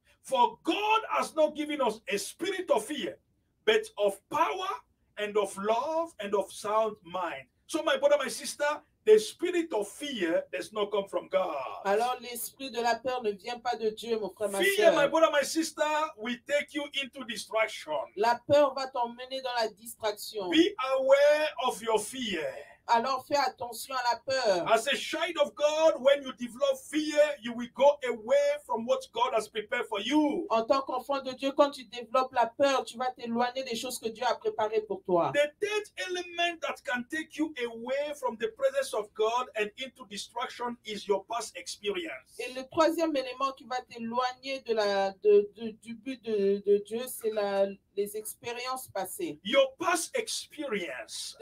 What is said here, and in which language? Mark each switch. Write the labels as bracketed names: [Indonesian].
[English] For God has not given us a spirit of fear, but of power and of love and of sound mind. So my brother, my sister, the spirit of fear does not come from God. [French] Alors l'esprit de la peur ne vient pas de Dieu, mon frère, ma sœur. [English] Fear, my brother, my sister, will take you into distraction. [French] La peur va t'emmener dans la distraction. [English] Be aware of your fear. [French] Alors fais attention à la peur. [English] As a child of God, when you develop fear, you will go away from what God has prepared for you. [French] En tant qu'enfant de Dieu, quand tu développes la peur, tu vas t'éloigner des choses que Dieu a préparées pour toi. [English] The third element that can take you away from the presence of God and into destruction is your past experience. [French] Et le troisième élément qui va t'éloigner du but de Dieu, c'est les expériences passées. [English] Your past experience.